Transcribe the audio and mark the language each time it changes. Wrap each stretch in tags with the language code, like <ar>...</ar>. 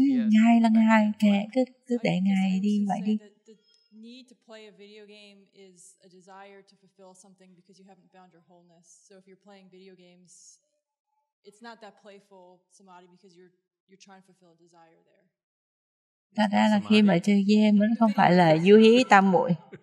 <vi>Ngài là ngài, kệ, cứ để ngài đi vậy đi.</vi> <en>Need to play a video game is a desire to fulfill something because you haven't found your wholeness. So if you're playing video games, it's not that playful samadhi because you're trying to fulfill a desire there.</en> <vi>Thật ra là khi mà chơi game nó không phải là du hí tam muội.</vi>